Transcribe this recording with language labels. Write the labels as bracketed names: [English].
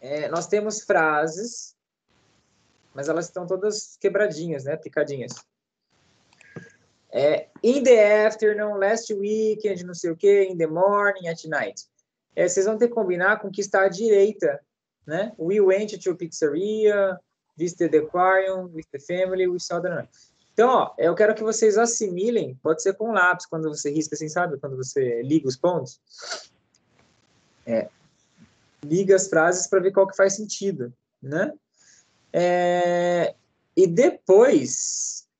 [Portuguese] Nós temos frases, mas elas estão todas quebradinhas, né? Picadinhas. [English] In the afternoon, last weekend, [Portuguese] não sei o quê, [English] in the morning, at night. [Portuguese] Vocês vão ter que combinar com o que está à direita, né? [English] We went to a pizzeria, visited the aquarium, with the family, we saw the night. [Portuguese] Então, eu quero que vocês assimilem, pode ser com lápis, quando você risca assim, sabe? Quando você liga os pontos. Liga as frases para ver qual que faz sentido, né? E depois...